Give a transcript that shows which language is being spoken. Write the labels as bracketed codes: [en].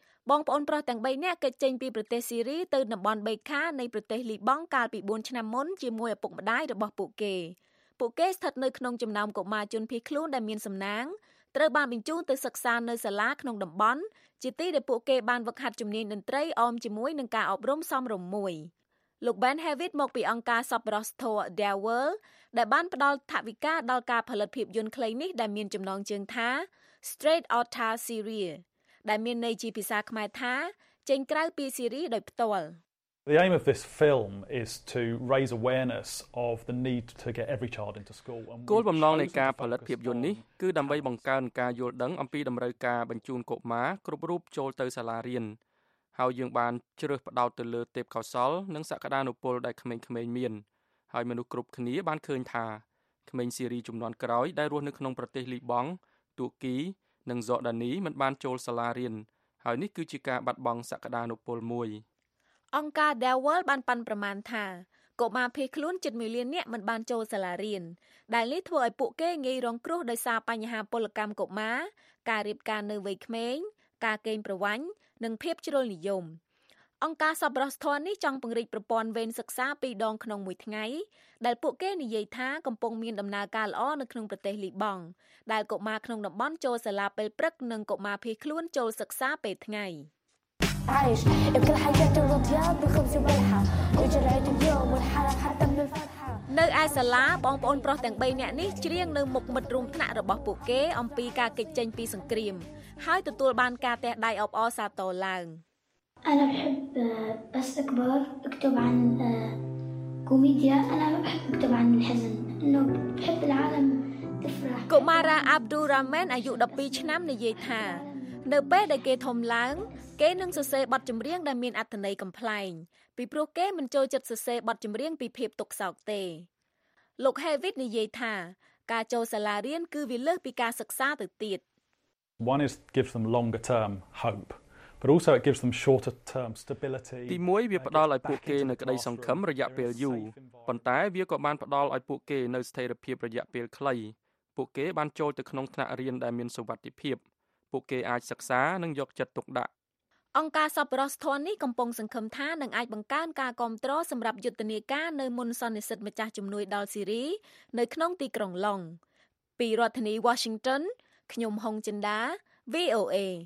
[km] បងប្អូនប្រុសទាំង3នាក់កើតចេញពីប្រទេសស៊ីរីទៅតំបន់បេខានៃប្រទេសលីបង់កាលពី4ឆ្នាំមុនជាមួយឪពុកម្ដាយរបស់ពួកគេពួកគេស្ថិតនៅក្នុងចំណោមកុមារជនភៀសខ្លួនដែលមានសំណាងត្រូវបានបញ្ជូនទៅសិក្សានៅសាលាក្នុងតំបន់ជាទីដែលពួកគេបានវឹកហាត់ជំនាញតន្ត្រីអមជាមួយនឹងការអប់រំសមរម្យមួយ លោក Ben Hewitt មកពីអង្គការសប្បុរសធម៌ Their World ដែលបានផ្តល់ថវិកាដល់ការផលិតភាពយន្តខ្លីនេះដែលមានចំណងជើងថា Straight Outta Syria ដែលមានន័យជាភាសាខ្មែរថាចេញក្រៅពីស៊ីរីដោយផ្ទាល់ [en] The aim of this film is to raise awareness of the need to get every child into school. [km] គោលបំណងនៃការផលិតភាពយន្តនេះគឺដើម្បីបង្កើនការយល់ដឹងអំពីតម្រូវការបញ្ជូនកុមារគ្រប់រូបចូលទៅសាលារៀនហើយយើងបានជ្រើសផ្តោតទៅលើទេពកោសលនិងសក្តានុពលដែលក្មេងៗមានហើយមនុស្សគ្រប់គ្នាបានឃើញថាក្មេងស៊ីរីជំនាន់ក្រោយដែលរស់នៅក្នុងប្រទេសលីបង់ទូគីនិងយ៉រដានីមិនបានចូលសាលារៀនហើយនេះគឺជាការបាត់បង់សក្តានុពលមួយ អង្គការ The World បានប៉ាន់ប្រមាណថាកុមារភៀសខ្លួនជិត1លាននាក់មិនបានចូលសាលារៀនដែលនេះធ្វើឲ្យពួកគេងាយរងគ្រោះដោយសារបញ្ហាពលកម្មកុមារការរៀបការនៅវ័យក្មេងការកេងប្រវ័ញ្ចនិងភាពជ្រុលនិយមអង្គការសប្បុរសធម៌នេះចង់ពង្រីកប្រព័ន្ធវេនសិក្សា2ដងក្នុងមួយថ្ងៃដែលពួកគេនិយាយថាកំពុងមានដំណើរការល្អនៅក្នុងប្រទេសលីបង់ដែលកុមារក្នុងតំបន់ចូលសាលាពេលព្រឹកនិងកុមារភៀសខ្លួនចូលសិក្សាពេលថ្ងៃ عايش كل حاجات الرياض بخبز وملح وجرعة اليوم والحلا حتى من الفاتحة នៅឯសាលាបងប្អូនប្រុសទាំង3នាក់នេះច្រៀងនៅមុខមិត្តរួមថ្នាក់របស់ពួកគេអំពីការកិច្ចចេញពីសង្គ្រាមហើយទទួលបានការទះដៃអបអរសាទរឡើង អានបិបបសក្បរអក្ទប عن គូមីឌីយ៉ាអានបិបអក្ទប عن ហិននៅបិបអាឡាមទស្រា កុមារាអាប់ឌូរ៉ាមែនអាយុ12ឆ្នាំនិយាយថានៅពេលដែលគេធំឡើងគេនឹងសរសេរបទចម្រៀងដែលមានអត្ថន័យកំ pl ែងពីព្រោះគេមិនចូលចិត្តសរសេរបទចម្រៀងពីភាពទុក្ខសោកទេលោក Hewitt និយាយថាការចូលសាលារៀនគឺវាលើសពីការសិក្សាទៅទៀត [en] One is gives them longer term hope but also it gives them shorter term stability [km] ទីមួយវាផ្ដល់ឲ្យពួកគេនៅក្តីសង្ឃឹមរយៈពេលយូរប៉ុន្តែវាក៏បានផ្ដល់ឲ្យពួកគេនៅស្ថិរភាពរយៈពេលខ្លីពួកគេបានចូលទៅក្នុងថ្នាក់រៀនដែលមានសុវត្ថិភាពពួកគេអាចសិក្សានិងយកចិត្តទុកដាក់ អង្គការសប្បុរសធម៌នេះកំពុងសង្ឃឹមថានឹងអាចបង្កើនការគាំទ្រសម្រាប់យុទ្ធនាការនៅមុនសន្និសីទម្ចាស់ជំនួយដល់ស៊ីរីនៅក្នុងទីក្រុងឡុងពីរដ្ឋធានី Washington ខ្ញុំហុងចិនដា VOA